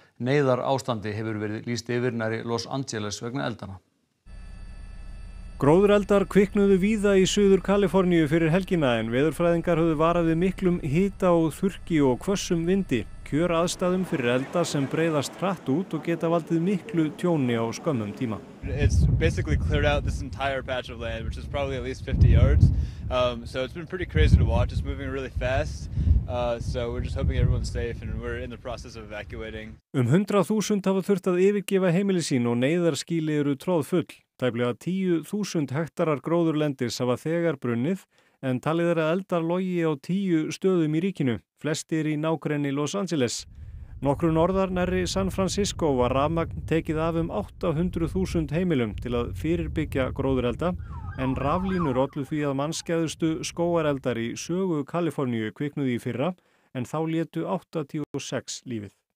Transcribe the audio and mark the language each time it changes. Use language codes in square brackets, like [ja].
[is] Neyðar ástandi hefur verið lýst yfir nærri Los Angeles vegna eldana. Gróðureldar kviknuðu víða í suður Kaliforníu fyrir helgina en veðurfræðingar höfðu varað við miklum hita og þurki og hvössum vindi, kjör aðstæðum fyrir elda sem breiðast hratt út og geta valdið miklu tjóni á skömmum tíma. [en] It's basically cleared out this entire patch of land, which is probably at least 50 yards. So it's been pretty crazy to watch. It's moving really fast. So we're just hoping everyone's safe and we're in the process of evacuating. [is] 100.000 hafa þurft að yfirgefa heimili sín og neyðarskýli eru troðfull. Tæplega 10.000 hektarar gróðurlendis hafa þegar brunnið en talið er að eldar logi á 10 stöðum í ríkinu, flestir í nágrenni Los Angeles. Nokkru norðar nærri San Francisco var rafmagn tekið af 800.000 heimilum til að fyrirbyggja gróðurelda, en raflínur ollu því að mannskæðustu skógareldar í sögu Kaliforníu kviknuði í fyrra, en þá létu 86 lífið.